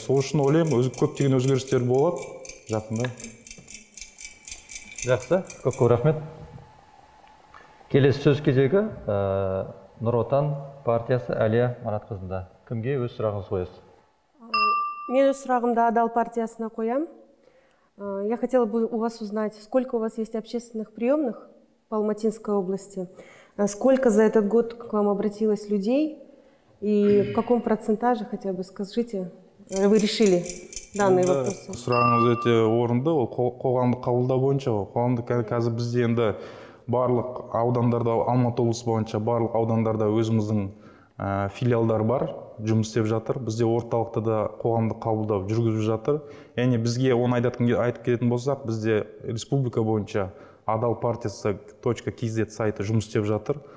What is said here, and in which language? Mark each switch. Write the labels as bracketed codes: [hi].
[kk] Сол үшін ойлаймын, көптеген өзгерістер болады жақында. Жақсы, көп көп рахмет. Келесі сөз кезегі Нұр Отан партиясы Әлия Маратқызында. Кімге өз сұрағыңыз қоясыз? Мен өз сұрағымды Адал партиясына қоям. [ru] Я хотела бы у вас узнать, сколько у вас есть общественных приемных по Алматинской области, сколько за этот год к вам обратилось людей и в каком процентаже, хотя бы скажите, вы решили данные вопросы? Сразу эти [kk] орынды, қоғамды қабылда бойынша, қоғамды қазы бізде енді барлық аудандарда, Алмат облысы бойынша барлық аудандарда өзіміздің филиалдар бар. Жұмыс істеп жатыр, бізде орталықта да қоғамды қабылдау жүргізіп жатыр. Яғни бізге оны айтып келетін болсақ, бізде республика бойынша Адал партиясы .kz сайты жұмыс істеп жатыр.